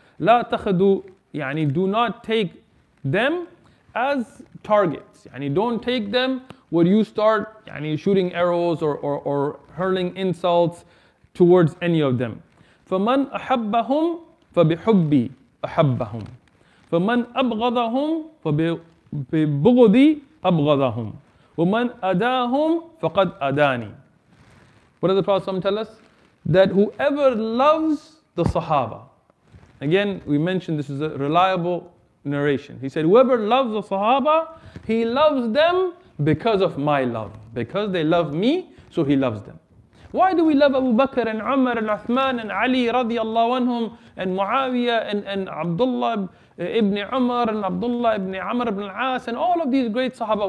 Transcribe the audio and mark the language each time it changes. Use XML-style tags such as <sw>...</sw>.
<ar>La takhadu,</ar> <en>yani do not take them as targets. Yani don't take them where you start yani shooting arrows or hurling insults towards any of them.</en> <ar>Faman ahabbahum fa bihubbi. أحبهم فمن أبغضهم فببغضي أبغضهم ومن أداهم فقد أداني.</ar> <en>What does the Prophet ﷺ tell us? That whoever loves the Sahaba. Again, we mentioned this is a reliable narration. He said, whoever loves the Sahaba, he loves them because of my love. Because they love me, so he loves them. Why do we love Abu Bakr and Umar and Uthman and Ali radiallahu anhum and Muawiyah and Abdullah ibn Umar and Abdullah ibn Amr ibn al-As and all of these great Sahaba?</en>